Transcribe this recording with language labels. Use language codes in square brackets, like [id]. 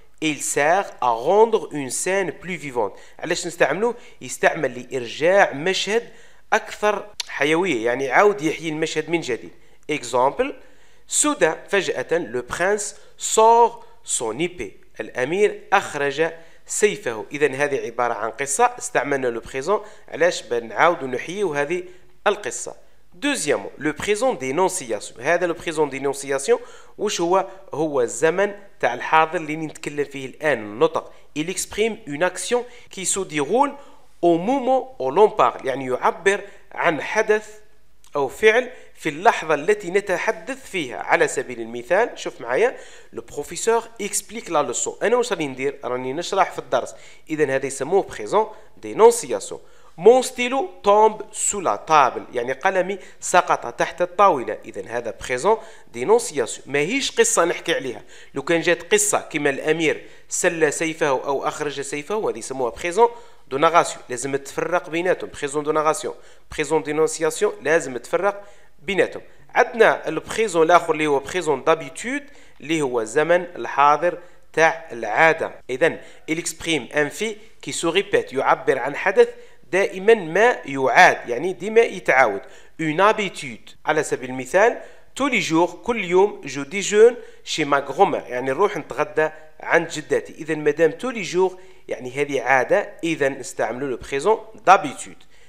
[fr] il sert à rendre une scène plus vivante، [ar] علاش نستعملوه؟ يستعمل لارجاع مشهد اكثر حيويه، يعني عاود يحيي المشهد من جديد. اكزامبل سودا، فجاه لو برنس سور سون ايبي، الامير اخرج سيفه. اذا هذه عباره عن قصه، استعملنا لو بريزون علاش؟ بنعاود نحييو هذه القصه. [fr] Deuxièmement, le présent d'énonciation. [ar] هذا [fr] le présent d'énonciation. [ar] وش هو؟ هو الزمن تاع الحاضر اللي نتكلم فيه الآن. النطق. [fr] Il exprime une action qui se déroule au moment où l'on parle. [ar] يعني يعبر عن حدث أو فعل في اللحظة التي نتحدث فيها. على سبيل المثال شوف معايا [fr] le professeur explique la leçon. [ar] أنا وش راني ندير؟ راني نشرح في الدرس. إذن هذا يسموه présent d'énonciation. [fr] Mon stylo tombe sous la table. [ar] يعني قلمي سقط تحت الطاولة. إذن هذا présent d'énonciation. ما هيش قصة نحكي عليها. لو كان جات قصة كما الأمير سل سيفه أو أخرج سيفه هذه يسموها présent de narration. لازم تفرق بيناتهم. [fr] Présent de narration. Présent d'énonciation. [ar] لازم تفرق بيناتهم. عندنا présent الآخر اللي هو présent d'habitude اللي هو زمن الحاضر تاع العادة. [fr] إذن il exprime un fait qui se répète. [ar] يعبر عن حدث دائما ما يعاد يعني ديما يتعاود [fr] une habitude [ar] على سبيل المثال [fr] tous les jours [ar] كل يوم [fr] je déjeune chez ma grand-mère [ar] يعني نروح نتغدى عند جداتي اذا مادام tous les jours يعني هذه عاده اذا نستعملوا le présent d'habitude